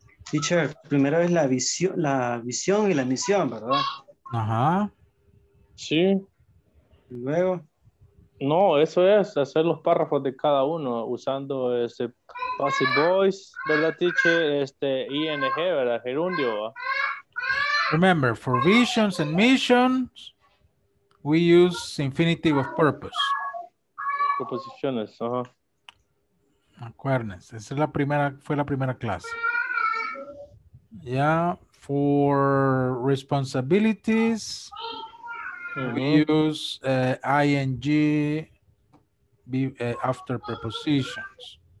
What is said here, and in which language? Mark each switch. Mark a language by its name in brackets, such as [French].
[Spanish] Teacher, primero es la visión y la misión, ¿verdad? Ajá. Sí. ¿Y luego? No, eso es, hacer los párrafos de cada uno, usando ese [English] passive voice, [Spanish] ¿verdad, teacher? Este, ING, ¿verdad? Gerundio, ¿verdad? [English] Remember, for visions and missions, we use infinitive of purpose. [Spanish] Proposiciones, ajá. Acuérdense, esa es la primera, fue la primera clase. [English] Ya, yeah, for responsibilities, we use ING after prepositions.